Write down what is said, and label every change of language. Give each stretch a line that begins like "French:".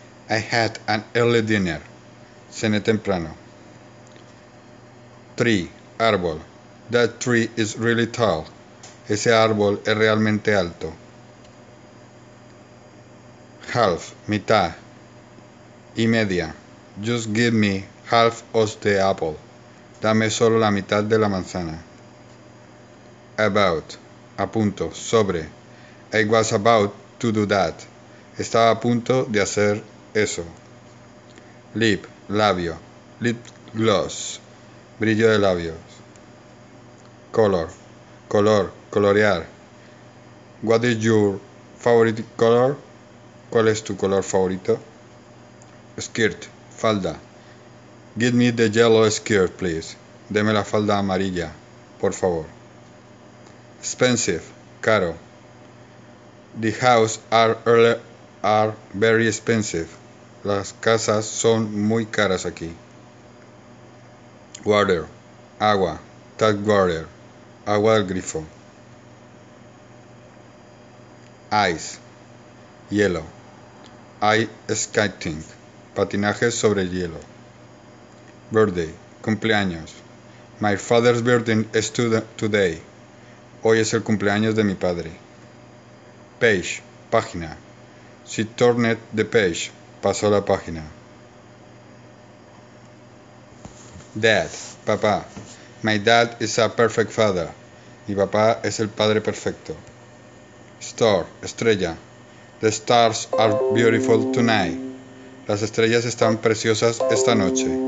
English: I had an early dinner,
Spanish: cené temprano.
English: Tree, árbol. That tree is really tall.
Spanish: Ese árbol es realmente alto. Half, mitad y media.
English: Just give me half of the apple.
Spanish: Dame solo la mitad de la manzana. About, a punto, sobre.
English: I was about to do that.
Spanish: Estaba a punto de hacer eso. Lip, labio. Lip gloss, brillo de labios. Color, color, colorear.
English: What is your favorite color?
Spanish: ¿Cuál es tu color favorito?
English: Skirt, falda. Give me the yellow skirt, please.
Spanish: Deme la falda amarilla, por favor.
English: Expensive, caro. The houses are very expensive.
Spanish: Las casas son muy caras aquí. Water, agua. Tap water, agua del grifo. Ice, hielo. Ice skating, patinaje sobre hielo.
English: Birthday, cumpleaños. My father's birthday is today.
Spanish: Hoy es el cumpleaños de mi padre.
English: Page, página. She turned the page,
Spanish: pasó la página.
English: Dad, papá. My dad is a perfect father.
Spanish: Mi papá es el padre perfecto.
English: Star, estrella. The stars are beautiful tonight.
Spanish: Las estrellas están preciosas esta noche.